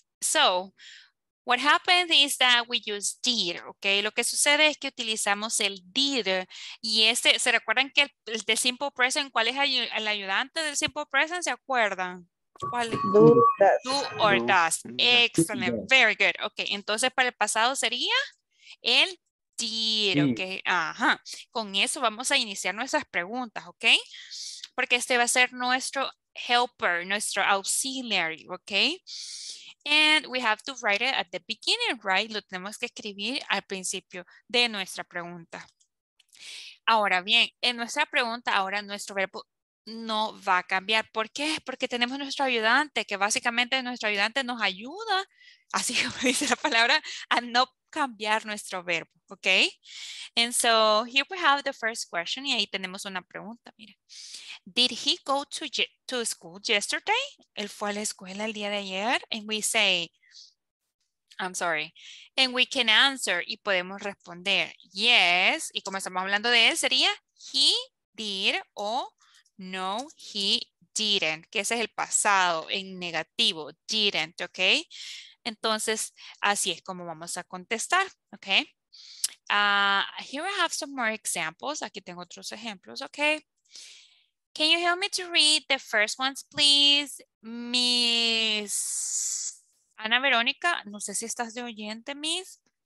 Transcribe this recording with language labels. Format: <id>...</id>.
<en>So what happened is that we use did, okay?</en> <es>Lo que sucede es que utilizamos el did. Y este, ¿se recuerdan que el de simple present, cuál es el ayudante del simple present? ¿Se acuerdan? ¿Cuál?</es> <en>Do, does. Do or does. Excellent. Very good.</en> <es>Okay, entonces para el pasado sería el did, okay? Ajá. Con eso vamos a iniciar nuestras preguntas, okay? Porque este va a ser nuestro helper, nuestro auxiliary, okay?</es> <en>And we have to write it at the beginning, right?</en> <es>Lo tenemos que escribir al principio de nuestra pregunta. Ahora bien, en nuestra pregunta, ahora nuestro verbo no va a cambiar. ¿Por qué? Porque tenemos nuestro ayudante, que básicamente nuestro ayudante nos ayuda, así como dice la palabra, a no cambiar nuestro verbo, ¿ok?</es> <en>And so here we have the first question,</en> <es>y ahí tenemos una pregunta, mira.</es> <en>Did he go to school yesterday?</en> <es>¿Él fue a la escuela el día de ayer?</es> <en>And we say, I'm sorry, and we can answer,</en> <es>y podemos responder, yes, y como estamos hablando de él, sería</es> <en>he did</en> <es>o no,</es> <en>he didn't,</en> <es>que ese es el pasado en negativo, didn't, ¿ok? Entonces, así es como vamos a contestar, ¿ok?</es> <en>Here I have some more examples.</en> <es>Aquí tengo otros ejemplos,</es> <en>¿ok? Can you help me to read the first ones, please?</en> <es>Miss Ana Verónica, no sé si estás de oyente, Miss.</es>